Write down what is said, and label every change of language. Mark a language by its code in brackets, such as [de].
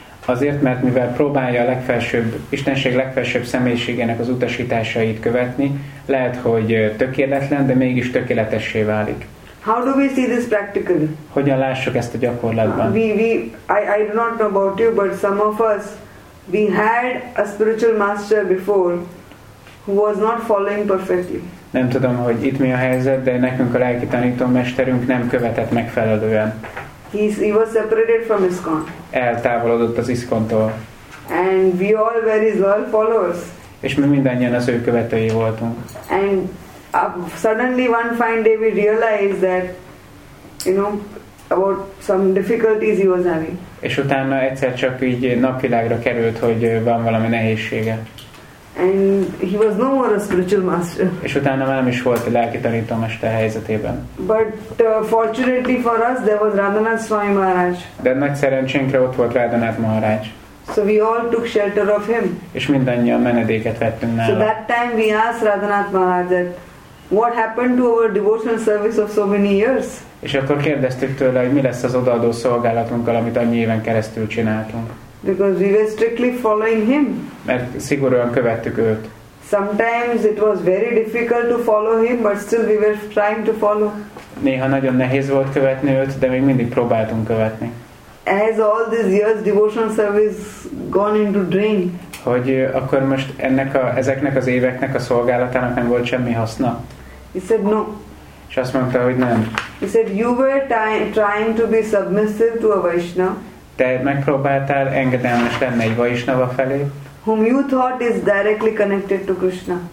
[hu] Azért, mert mivel próbálja a legfelsőbb Istenség legfelsőbb személyiségének az utasításait követni, lehet, hogy tökéletlen, de mégis tökéletessé válik. [en] How do we see this practically? [hu] Hogyan lássuk ezt a gyakorlatban? [en] I do not know about you, but some of us, we had a spiritual master before who was not following perfectly. [hu] Nem tudom, hogy itt mi a helyzet, de nekünk a lelki tanítómesterünk nem követett megfelelően. [en] He was separated from ISKCON. [hu] Eltávolodott az ISKCON-tól. [en] And we all were his loyal followers. [hu] És mi mindannyian az ő követői voltunk. [en] And suddenly one fine day we realized that, you know, about some difficulties he was having. [hu] És utána egyszer csak így napvilágra került, hogy van valami nehézsége. [en] And he was no more a spiritual master. [hu] És utána már nem is volt a lelki tanítómester helyzetében. [en] But fortunately for us, there was Radhanath Swami Maharaj. [hu] De nagy szerencsénkre ott volt Radhanath Maharaj. [en] So we all took shelter of him. [hu] És mindannyian menedéket vettünk nála. [en] So that time we asked Radhanath Maharaj, what happened to our devotional service of so many years? [hu] És akkor kérdeztük tőle, hogy mi lesz az odaadó szolgálatunkkal, amit annyi éven keresztül csináltunk. [en] Because we were strictly following him. [hu] Mert szigorúan követtük őt. [en] Sometimes it was very difficult to follow him, but still we were trying to follow. [hu] Néha nagyon nehéz volt követni őt, de még mindig próbáltunk követni. [en] As all these years devotional service gone into drain. [hu] Hogy akkor most ennek a, ezeknek az éveknek a szolgálatának nem volt semmi haszna? [en] He said no. [hu] És azt mondta, hogy nem. [en] He said you were trying to be submissive to a Vaishnava. [hu] Te megpróbáltál engedelmes lenni egy Vaishnava felé. [en] Whom you thought is directly connected to Krishna.